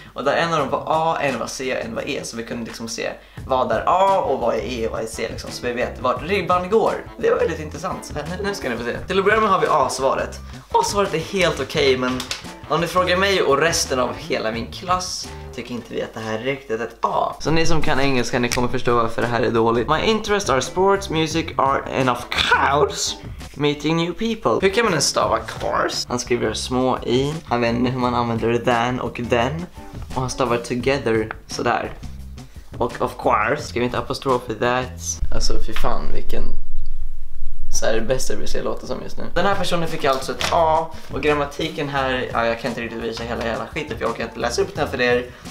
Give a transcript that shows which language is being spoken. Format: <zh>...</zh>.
<sv>Och där en av dem var A, en var C och en var E. Så vi kunde liksom se vad är A och vad är E och vad är C liksom. Så vi vet vart ribban går. Det var väldigt intressant. Nu ska ni få se. Till att börja med har vi A-svaret. A-svaret är helt okej, men om ni frågar mig och resten av hela min klass, tycker inte vi att det här är riktigt ett A. Så ni som kan engelska, ni kommer förstå varför det här är dåligt.</sv> <en>My interests are sports, music, art and of course meeting new people.</en> <sv>Hur kan man ens stava course? Han skriver små i. Han vet inte hur man använder than och then. Och han stavar together sådär. Och of course. Skriver inte apostrof i that. Alltså fy fan vilken... Så är det bästa vi ser låta som just nu. Den här personen fick alltså ett A. Och grammatiken här, ja, jag kan inte riktigt visa hela skiten för jag kan inte läsa upp den för er.</sv>